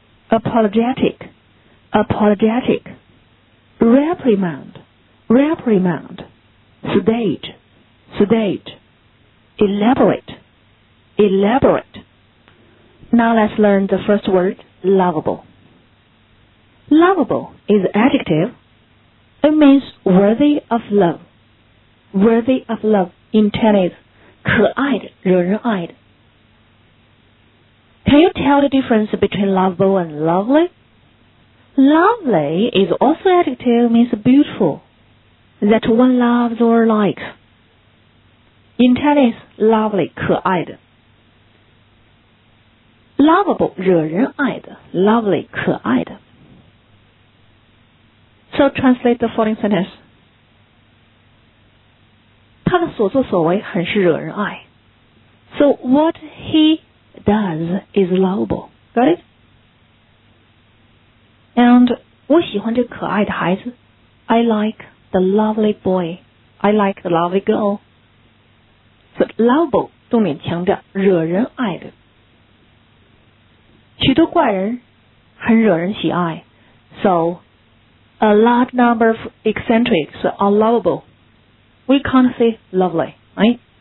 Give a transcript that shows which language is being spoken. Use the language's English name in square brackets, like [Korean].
[English] Apologetic. Apologetic. Reprimand. Reprimand. Sedate. Sedate. Elaborate. Elaborate. Now let's learn the first word, lovable. Lovable is adjective. It means worthy of love. Worthy of love in Chinese, [Chinese] 可爱的，惹人爱的。 [English] Can you tell the difference between lovable and lovely? Lovely is also adjective, means beautiful, that one loves or likes. In Chinese, lovely, [Chinese] 可爱的。 Lovable, 惹人爱的。 Lovely, 可爱的。 [English] So translate the following sentence. [Chinese] 他的所作所为很是惹人爱。 [English] So what he does is lovable. Got it? And [Chinese] 我喜欢这可爱的孩子。 [English] I like the lovely boy. I like the lovely girl. So lovable, [Chinese] 重点强调惹人爱的。许多怪人很惹人喜爱。 [English] So,A large number of eccentrics are lovable. We can't say lovely, right?